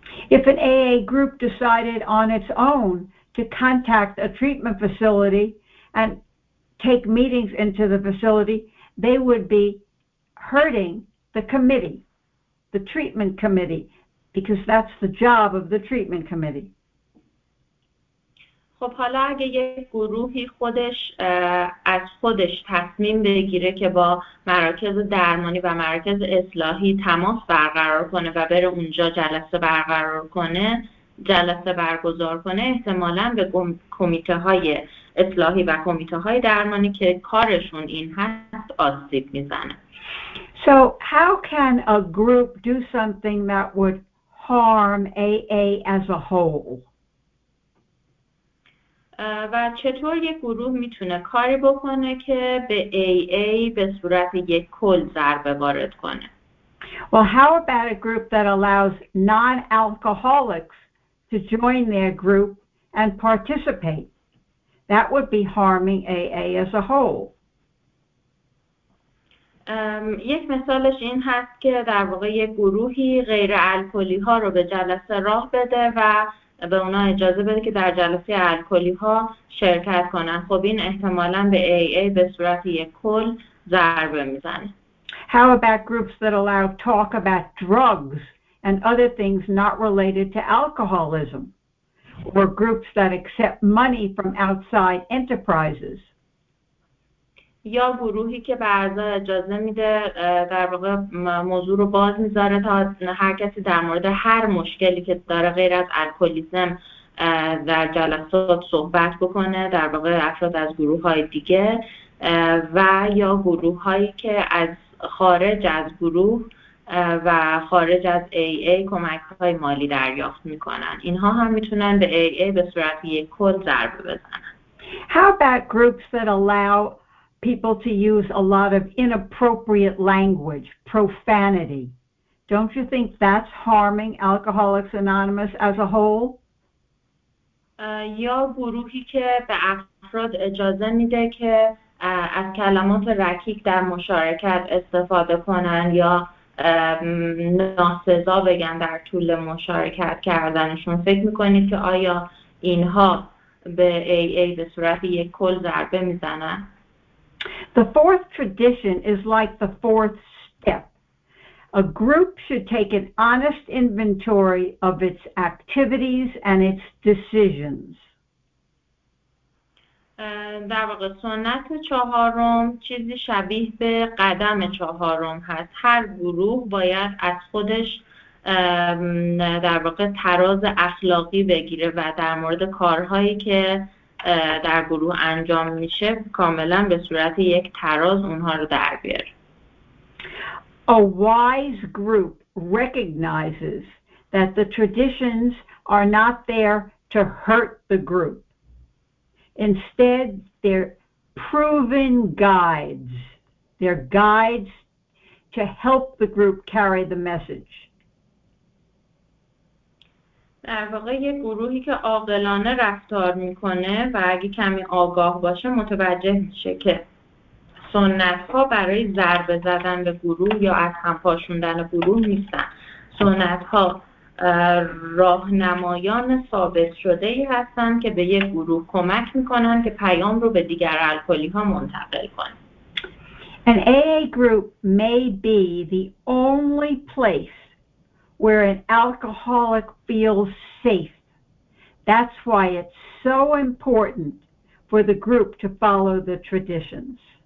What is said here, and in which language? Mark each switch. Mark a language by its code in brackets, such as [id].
[en] If an AA group decided on its own to contact a treatment facility and take meetings into the facility, they would be hurting the committee, the treatment committee, because that's the job of the treatment committee. [fa] خب حالا اگه یک گروهی خودش از خودش تصمیم بگیره که با مراکز درمانی و مراکز اصلاحی تماس برقرار کنه و بره اونجا جلسه برقرار کنه، جلسه برگزار کنه، احتمالاً به کمیته‌های اصلاحی و کمیته‌های درمانی که کارشون این هست آسیب میزنه. [en] So how can a group do something that would harm AA as a whole? [fa] و چطور یک گروه میتونه کاری بکنه که به AA به صورت یک کل ضربه وارد کنه؟ [en] Well, how about a group that allows non-alcoholics to join their group and participate? That would be harming AA as a whole. [fa] یک مثالش این هست که در واقع یک گروهی غیر الکلی ها رو به جلسه راه بده و به اونا اجازه بده که در جلسه الکلی ها شرکت کنن. خب این احتمالاً به AA به صورت یک کل ضربه میزنه. [en] How about groups that allow talk about drugs and other things not related to alcoholism, or groups that accept money from outside enterprises? [fa] یا گروهی که بعضا اجازه میده در واقع موضوع رو باز میذاره تا هر کسی در مورد هر مشکلی که داره غیر از الکلیسم در جلسات صحبت بکنه، در واقع افراد از گروه های دیگه، و یا گروه هایی که از خارج از گروه و خارج از AA کمک های مالی دریافت میکنن. اینها هم میتونن به AA به صورت یک کل ضربه بزنن. [en] How about groups that allow people to use a lot of inappropriate language, profanity? Don't you think that's harming Alcoholics Anonymous as a whole? [fa] یا گروهی که به افراد اجازه میده که از کلمات رکیک در مشارکت استفاده کنن یا ناسزا بگن در طول مشارکت کردنشون، فکر میکنید که آیا اینها به AA به صورت یک کل ضربه میزنن؟ [en] The fourth tradition is like the fourth step. A group should take an honest inventory of its activities and its decisions. [fa] در واقع سنت چهارم چیزی شبیه به قدم چهارم هست. هر گروه باید از خودش در واقع تراز اخلاقی بگیره و در مورد کارهایی که در گروه انجام میشه کاملا به صورت یک تراز اونها رو در بیاره. [en] A wise group recognizes that the traditions are not there to hurt the group. Instead, they're proven guides. They're guides to help the group carry the message. [fa] در واقع یک گروهی که عاقلانه رفتار میکنه و اگه کمی آگاه باشه متوجه میشه که سنت ها برای ضربه زدن به گروه یا از هم پاشوندن گروه نیستن. سنت ها راهنمایان ثابت شده ای هستن که به یک گروه کمک میکنن که پیام رو به دیگر الکلی ها منتقل کنن. [en] An AA group may be the only place where an alcoholic feels safe. That's why it's so important for the group to follow the traditions.